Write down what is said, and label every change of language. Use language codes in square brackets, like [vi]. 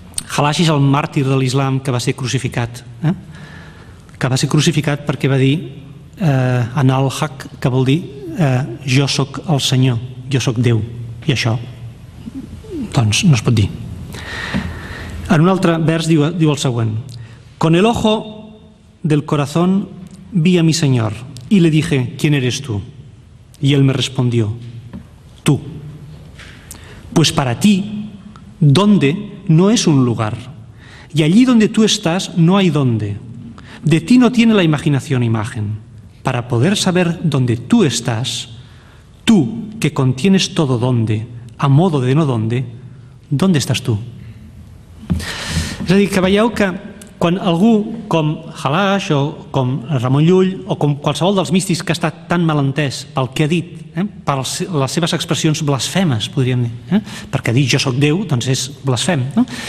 [ca] Halaj és el màrtir de l'islam que va ser crucificat, que va ser crucificat perquè va dir Analhaq, que vol dir jo sóc el Senyor, jo sóc Déu, i això, doncs, no es pot dir. En un altre vers diu el següent: [es] con el ojo del corazón vi a mi Señor y le dije: ¿quién eres tú? Y él me respondió: tú. Pues para ti, ¿dónde? No es un lugar. Y allí donde tú estás, no hay dónde. De ti no tiene la imaginación imagen. Para poder saber dónde tú estás, tú que contienes todo dónde, a modo de no dónde, ¿dónde estás tú? [ca] És a dir, que veieu que quan algú com Halaj o com Ramon Llull o com qualsevol dels místics que ha estat tan mal entès pel que ha dit, per les seves expressions blasfemes, podríem dir, perquè dir jo sóc Déu, doncs és blasfem, no?